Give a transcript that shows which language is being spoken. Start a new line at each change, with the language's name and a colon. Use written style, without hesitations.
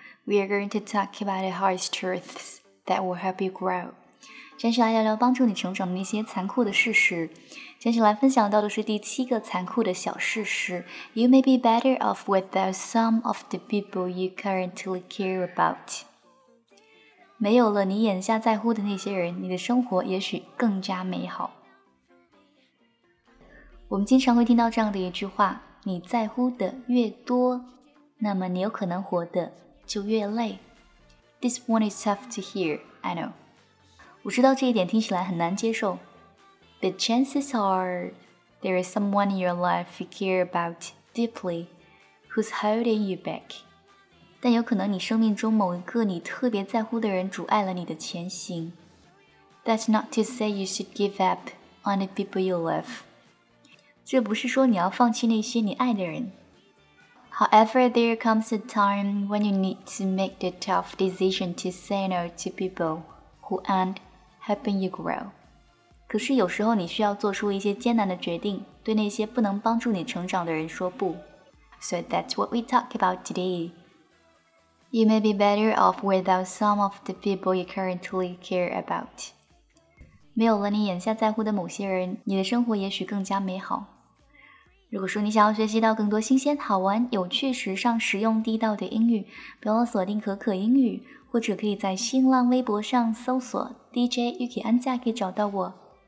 English: We are going to talk about the hardest truths that will help you grow.
Chinese: 接下来聊聊帮助你成长的那些残酷的事实。接下来分享到的是第七个残酷的小事实。
English: You may be better off without some of the people you currently care about.
Chinese: 没有了你眼下在乎的那些人，你的生活也许更加美好。我们经常会听到这样的一句话，你在乎的越多，那么你有可能活得就越累。
English: This one is tough to hear, I know.
Chinese: 我知道这一点听起来很难接受。
English: The chances are there is someone in your life you care about deeply who's holding you back.
Chinese: 但有可能你生命中某一个你特别在乎的人阻碍了你的前行。
English: That's not to say you should give up on the people you love.
Chinese: 这不是说你要放弃那些你爱的人。
English: However, there comes a time when you need to make the tough decision to say no to people who aren't helping you grow.
Chinese: 可是有时候你需要做出一些艰难的决定，对那些不能帮助你成长的人说不。
English: So that's what we talk about today. You may be better off without some of the people you currently care about.
Chinese: 没有了你眼下在乎的某些人，你的生活也许更加美好。如果说你想要学习到更多新鲜、好玩、有趣、时尚、实用、地道的英语，不要锁定可可英语，或者可以在新浪微博上搜索 DJ Yuki 安佳，可以找到我。